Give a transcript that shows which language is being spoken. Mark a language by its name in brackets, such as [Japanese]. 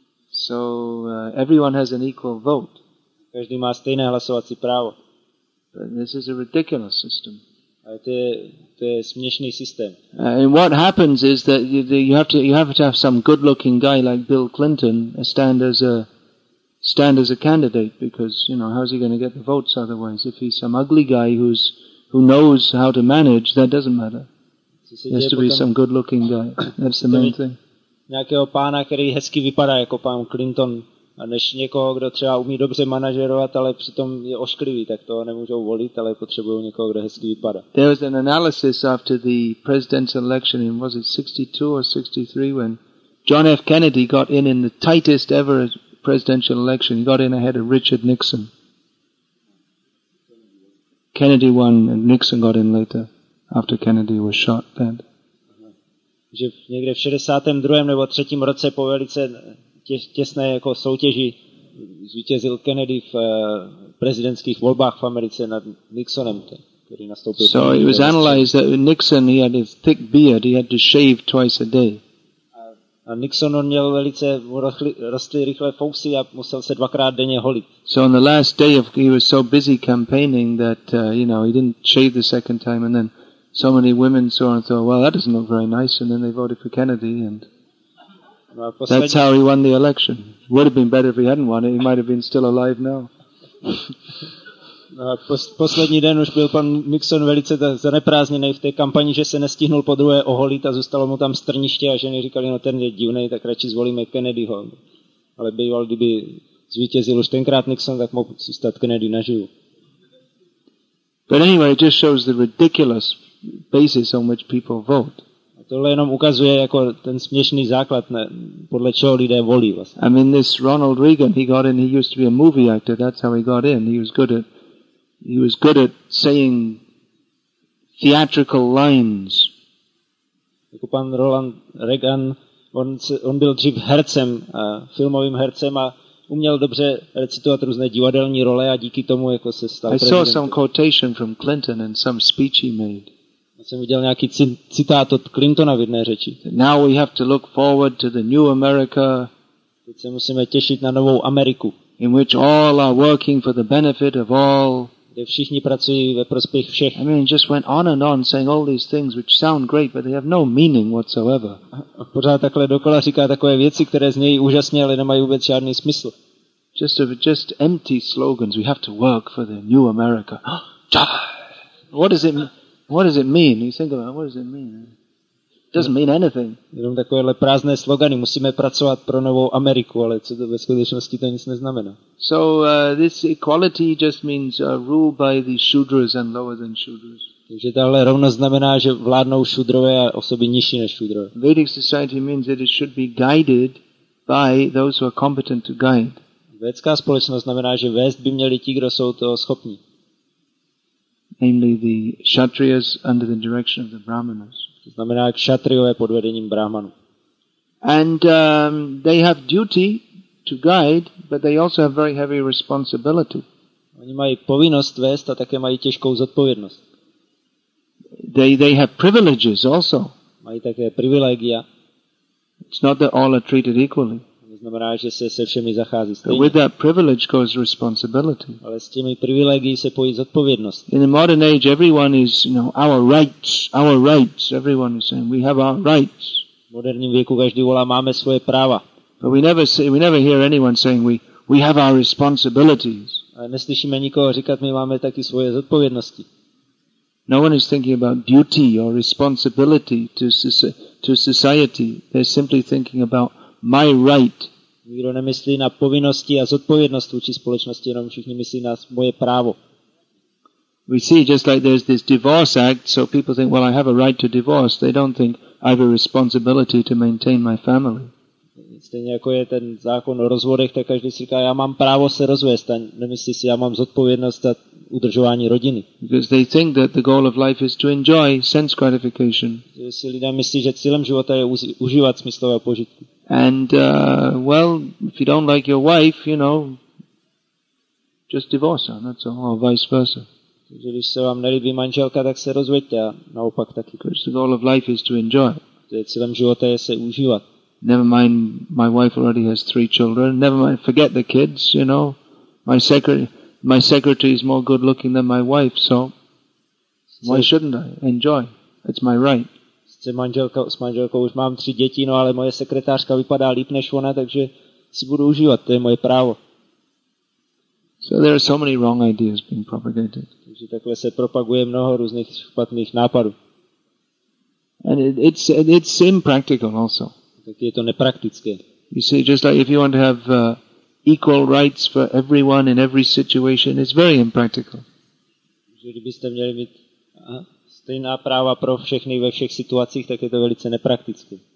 [English] So everyone has an equal vote. [Czech] Každý má stejné hlasovací právo. [English] But this is a ridiculous system. [Czech] To je směšný systém. [English] And what happens is that you have to have some good-looking guy like Bill Clinton stand as a candidate, because you know how's he going to get the votes otherwise? If he's some ugly guy who knows how to manage, that doesn't matter. There has to be some good-looking guy. That's the main thing. [Czech] Nějakého pána, který hezky vypadá jako pán Clinton, a než někoho, kdo třeba umí dobře manažerovat, ale přitom je ošklivý, tak to nemůžou volit, ale potřebují někoho, kdo hezky vypadá. [English] There was an analysis after the presidential election in, was it 62 or 63, when John F. Kennedy got in the tightest ever presidential election. He got in ahead of Richard Nixon. Kennedy won and Nixon got in later, after Kennedy was shot dead. [Czech] Že někde v 62. nebo 3. roce po velice těsné jako soutěži zvítězil Kennedy v prezidentských volbách v Americe nad Nixonem, který nastoupil. [English] So it was analyzed that Nixon, he had his thick beard, he had to shave twice a day. [Czech] A Nixon, on měl velice rostly rychle fousy a musel se dvakrát denně holit. [English] So on the last day of, he was so busy campaigning that you know, he didn't shave the second time, and then so many women saw and thought, well, that doesn't look very nice, and then they voted for Kennedy, and that's how he won the election. Would have been better if he hadn't won it. He might have been still alive now. [Czech] No, poslední den už byl pan Nixon velice zaneprázněný v té kampani, že se nestihnul po druhé oholit a zůstalo mu tam strniště a ženy říkali, no ten je divnej, tak radši zvolíme Kennedyho. Ale býval, kdyby zvítězil už tenkrát Nixon, tak mohl zůstat Kennedy naživu. [English] But anyway, it just shows the ridiculous basis on which people vote. [Czech] A tohle jenom ukazuje jako ten směšný základ, podle čeho lidé volí vlastně. [English] I mean, this Ronald Reagan, he got in, he used to be a movie actor, that's how he got in. He was good at saying theatrical lines. [Czech] Jako pan Ronald Reagan, on byl dřív hercem, filmovým hercem a uměl dobře recitovat různé divadelní role a díky tomu jako se stal prezidentem. [English] I saw some quotation from Clinton and some speech he made. [Czech] Jsem viděl nějaký citát od Clintona v jedné řeči. [English] Now we have to look forward to the new America. [Czech] Teď se musíme těšit na novou Ameriku. [English] In which all are working for the benefit of all. [Czech] Kde všichni pracují ve prospěch všech. [English] I mean, he just went on and on saying all these things which sound great, but they have no meaning whatsoever. [Czech] A pořád takhle dokola říká takové věci, které znějí úžasně, ale nemají vůbec žádný smysl. [English] Just empty slogans. We have to work for the new America. What does it mean? What does it mean? You think about it, what does it mean? It doesn't mean anything. [Czech] Jenom takovéhle prázdné slogany, musíme pracovat pro novou Ameriku, ale co to ve skutečnosti to nic neznamená. [English] So this equality just means rule by the shudras and lower than shudras. [Czech] Takže tahle rovnost znamená, že vládnou šudrové a osoby nižší než šudrové. [English] Vedic society means that it should be guided by those who are competent to guide. [Czech] Vedská společnost znamená, že vést by měli ti, kdo jsou to schopní. [English] Namely the kshatriyas under the direction of the brahmanas. [Czech] To znamená kshatriové pod vedením brahmanů. [English] And they have duty to guide, but they also have very heavy responsibility. [Czech] Oni mají povinnost vést a také mají těžkou zodpovědnost. [English] They have privileges also. [Czech] Mají také privilegia. [English] It's not that all are treated equally. [Czech] Znamená, že se všemi zachází stejně. [English] But with that privilege goes responsibility. [Czech] Ale s těmi privilegii se pojí zodpovědnost. [English] In the modern age, everyone is, you know, our rights, everyone is saying, we have our rights. [Czech] V moderním věku každý volá, máme svoje práva. [English] But we never hear anyone saying, we have our responsibilities. [Czech] Ale neslyšíme nikoho říkat, my máme taky svoje zodpovědnosti. [English] No one is thinking about duty or responsibility to society. They're simply thinking about my right. [Czech] Nikdo nemyslí na povinnosti a zodpovědnost vůči společnosti, jenom všichni myslí na moje právo. [English] We see just like there's this divorce act, so people think, well, I have a right to divorce. They don't think I have a responsibility to maintain my family. [Czech] Stejně jako je ten zákon o rozvodech, tak každý si říká, já mám právo se rozvést, a nemyslí si, já mám zodpovědnost za udržování rodiny. [English] Because they think that the goal of life is to enjoy sense gratification. [Czech] Si lidé myslí, že cílem života je užívat smyslové požitky. [English] And well, if you don't like your wife, you know, just divorce her, that's all, or vice versa. [Czech] Takže když se vám nelíbí manželka, tak se rozveďte a naopak taky. [English] Because the goal of life is to enjoy. [Czech] Cílem života je se užívat. [English] Never mind, my wife already has 3 children. Never mind, forget the kids, you know. My secretary is more good looking than my wife, so why shouldn't I enjoy? It's my right. [Czech] S manželkou už mám 3 děti, no ale moje sekretářka vypadá líp než ona, takže si budu užívat, to je moje právo. [English] So there are so many wrong ideas being propagated. [Czech] Takže takhle se propaguje mnoho různých špatných nápadů. [English] And it's impractical also. [Czech] Tak je to nepraktické. [English] You see, just like if you want to have equal rights for everyone in every situation, it's very impractical. [Czech] Takže kdybyste měli mít stejná práva pro všechny ve všech situacích, tak je to velice nepraktické.